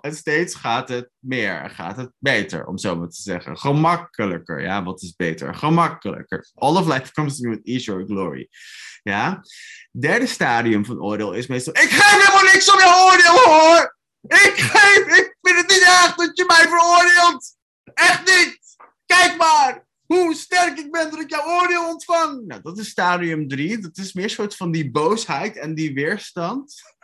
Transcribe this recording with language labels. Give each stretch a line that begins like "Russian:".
Dutch: En steeds gaat het meer, gaat het beter, om zo maar te zeggen. Gemakkelijker, ja, wat is beter? Gemakkelijker.
English: All of life comes to you with ease or glory.
Dutch: Ja, derde stadium van oordeel is meestal... Ik geef helemaal niks om je oordeel, hoor! Ik vind het niet erg dat je mij veroordeelt. Echt niet. Kijk maar hoe sterk ik ben dat ik jouw oordeel ontvang. Nou, dat is stadium 3. Dat is meer een soort van die boosheid en die weerstand.